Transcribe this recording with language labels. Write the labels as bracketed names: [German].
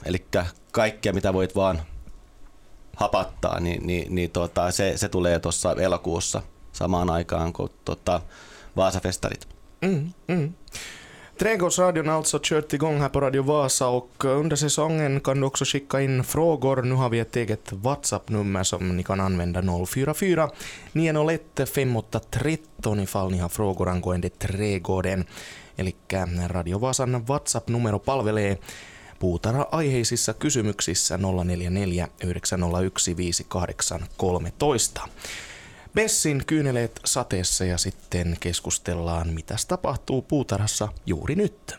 [Finnish] Eli kaikkea, mitä voit vaan hapattaa, se tulee tuossa elokuussa samaan aikaan kuin Vaasa-festarit. [Swedish] Trädgårdsradion alltså kört igång här på Radio Vasa och under säsongen kan du också skicka in frågor. Nu har vi ett eget WhatsApp-nummer som ni kan använda, 044-901-5813 ifall ni har frågor angående trädgården. [Finnish] Eli Radio Vasan WhatsApp-numero palvelee puutarha-aiheisissa kysymyksissä 044-901-5813. Bessin kyyneleet sateessa ja sitten keskustellaan, mitäs tapahtuu puutarhassa juuri nyt.